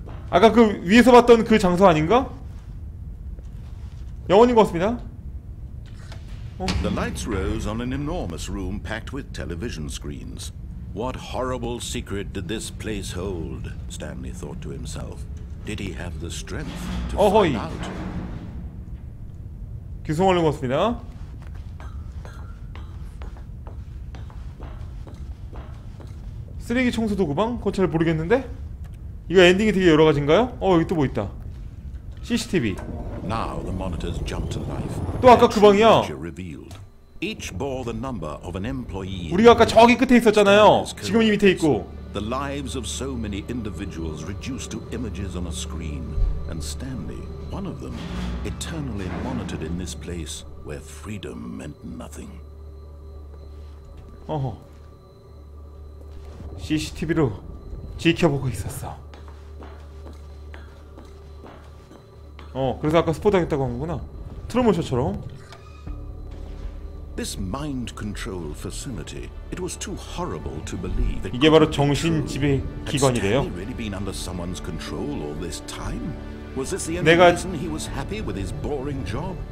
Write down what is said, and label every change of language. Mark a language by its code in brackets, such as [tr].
[ko] 아까 그 위에서 봤던 그 장소 아닌가? 영원인 것 같습니다. 어? [en] The lights rose on an enormous room packed with television screens. What horrible secret did this place hold? Stanley thought to himself. Did he have the strength to find out? [ko] 귀성하는 것 같습니다. 쓰레기 청소 도구방? 그거 잘 모르겠는데? 이거 엔딩이 되게 여러 가지인가요? 어, 여기 또 뭐 있다. CCTV. [en] Now the monitors jump to life. [ko] 또 아까 그 방이야. [en] Each bore the number of an employee. [ko] 우리가 아까 저기 끝에 있었잖아요. 지금은 이 밑에 있고. [en] The lives of so many individuals reduced to images on a screen and Stanley. One of them, eternally monitored in this place where freedom meant nothing. [ko] 어허. CCTV로 지켜보고 있었어. 어, 그래서 아까 스포트 하겠다고 한구나. 트루먼쇼처럼. [en] This mind control facility. It was too horrible to believe. [ko] 이게 바로 정신 지배 기관이래요. [en] Had Stanley really been under someone's control all this time? Was this the only reason he was happy with his boring job?